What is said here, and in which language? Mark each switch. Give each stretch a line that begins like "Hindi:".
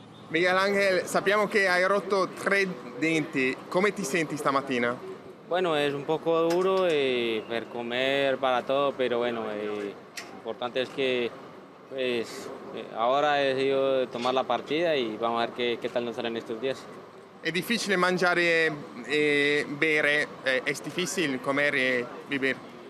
Italian: Miguel Ángel, sappiamo che hai rotto tre denti. Come ti senti stamattina?
Spanish: Bueno, es un poco duro per comer, para todo, pero bueno, importante es que pues ahora he decidido tomar la partida y vamos a ver qué tal nos salen estos días.
Italian: È difficile mangiare e bere, è difficile comer e vivere.